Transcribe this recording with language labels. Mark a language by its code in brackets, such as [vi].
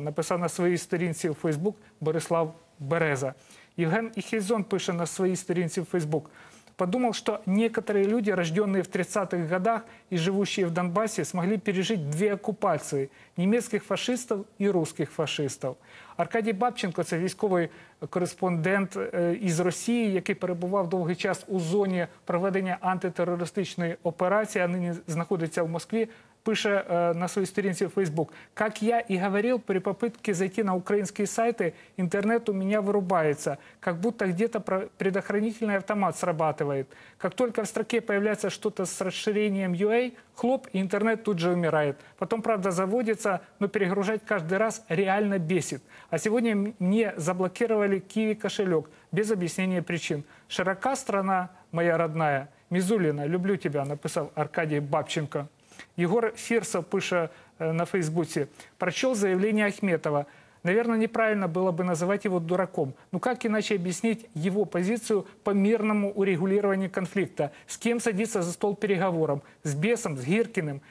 [ru] Написал на своей странице в Facebook Борислав Береза. Евген Ихизон пишет на своей странице в Facebook. Подумал, что некоторые люди, рожденные в 30-х годах и живущие в Донбассе, смогли пережить 2 оккупации – немецких фашистов и русских фашистов. [uk] Аркадій Бабченко – це військовий кореспондент із Росії, який перебував довгий час у зоні проведення антитерористичної операції, а нині знаходиться в Москві, пише на своїй сторінці в Facebook. [ru] «Как [uk] я і говорив, [ru] при попытке зайти на [uk] українські сайти, інтернет у мене вирубається, [ru] как будто где-то предохранительный автомат срабатывает. Как только в строке появляется что-то с расширением UA, хлоп, и интернет тут же умирает. Потом, правда, заводится, но перегружать каждый раз реально бесит. А сегодня мне заблокировали Киви кошелек без объяснения причин. Широка страна моя родная. Мизулина, люблю тебя», написал Аркадій Бабченко. Егор Фирсов [uk] пише на Фейсбуке. [ru] «Прочел заявление Ахметова. Наверное, неправильно было бы называть его дураком. Но как иначе объяснить его позицию по мирному урегулированию конфликта? С кем садиться за стол переговоров? С Бесом? С Гиркиным?